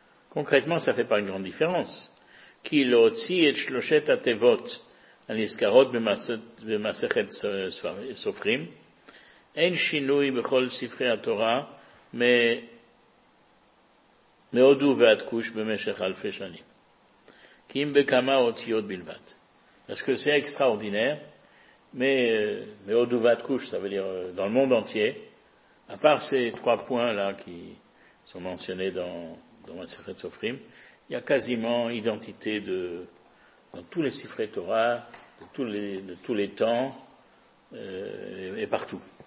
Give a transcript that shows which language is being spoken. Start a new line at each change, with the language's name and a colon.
French: Concrètement, ça ne fait pas une grande différence.
Hebrew: Ki lo tzi et shloshet atevot. הנזכרות במסכת סופרים, אין שינוי בכל ספרי התורה מהודו ועד כוש במשך אלפי שנים. כי אם בכמה אותיות בלבד.
French: Parce que c'est extraordinaire, mais
Hebrew: מהודו ועד כוש,
French: ça veut dire dans le monde entier, à part ces trois points-là qui sont mentionnés dans מסכת סופרים, il y a quasiment identité dans tous les ספרי תורה, de tous les temps et partout.